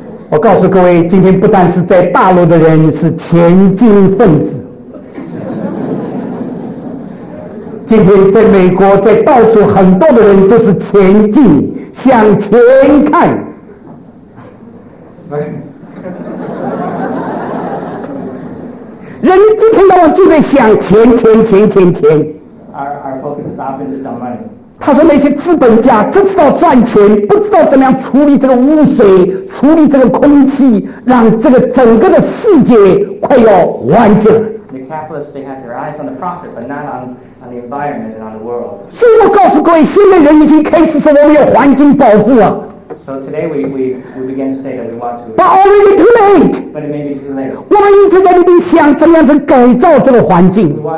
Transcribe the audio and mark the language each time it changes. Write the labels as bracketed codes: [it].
[zh] 我告诉各位，今天不但是在大陆的人是前进分子，今天在美国，在到处很多的人都是前进，向前看。人一天到晚就在想钱钱钱钱钱。 [en] Our focus is often just on money. [zh] 他说那些资本家只知道赚钱，不知道怎么样处理这个污水，处理这个空气，让这个整个的世界快要完结了。 [en] The capitalists, they have their eyes on the profit, but not on the environment and on the world. [zh] 所以我告诉各位，现在人已经开始说我们要环境保护了。 [en] So today we begin to say that we want to. But already too late. But it may be too late. [zh] 我们已经在那边想怎么样子改造这个环境。